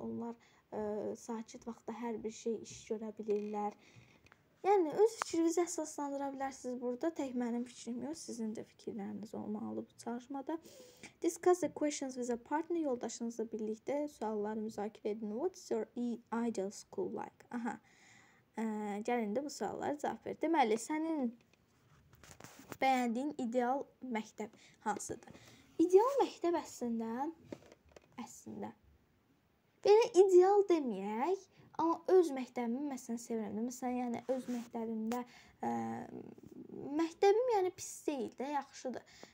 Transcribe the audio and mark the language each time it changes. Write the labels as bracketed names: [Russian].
[Azerbaijani] Onlar sakit vaxtda hər bir şey iş görə bilirlər. Yəni, öz fikrinizi əsaslandıra bilərsiniz burada. Tək mənim fikrim yox, sizin də fikirləriniz olmalı bu çalışmada. [English] Discuss the questions with a partner. [Azerbaijani] Yoldaşınızla birlikdə sualları müzakirə edin. [English] What's your ideal school like? [Azerbaijani] Aha, gəlin də bu sualları cavab ver. Deməli, sənin bəyəndiyin ideal məktəb hansıdır? İdeal məktəb əslində, belə ideal deməyək. Amma öz məktəbimi məsələn sevirəm. Məsələn, yəni öz məktəbimdə məktəbim yəni pis deyil də, yaxşıdır.